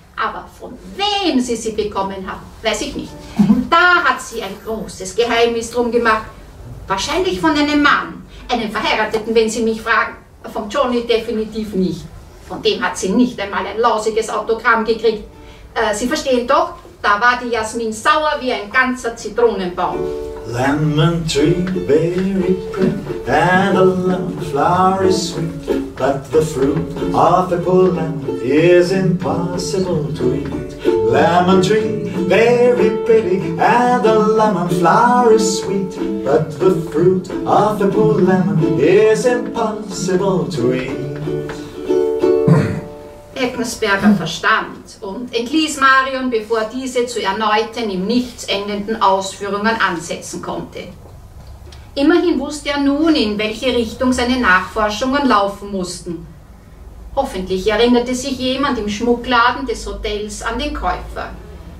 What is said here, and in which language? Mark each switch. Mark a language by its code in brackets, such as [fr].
[de] Aber von wem sie sie bekommen hat, weiß ich nicht. Da hat sie ein großes Geheimnis drum gemacht. Wahrscheinlich von einem Mann, einem Verheirateten, wenn Sie mich fragen. Von Johnny definitiv nicht. Von dem hat sie nicht einmal ein lausiges Autogramm gekriegt. Sie verstehen doch, da war die Jasmin sauer wie ein ganzer Zitronenbaum. [en] Lemon tree, very pretty, and a lemon flower is sweet. But the fruit of a poor lemon is impossible to eat. Lemon tree, very pretty, and a lemon flower is sweet. But the fruit of a poor lemon is impossible to eat. [de] Eckensberger verstand und entließ Marion, bevor diese zu erneuten, im nichts endenden Ausführungen ansetzen konnte. Immerhin wusste er nun, in welche Richtung seine Nachforschungen laufen mussten. Hoffentlich erinnerte sich jemand im Schmuckladen des Hotels an den Käufer.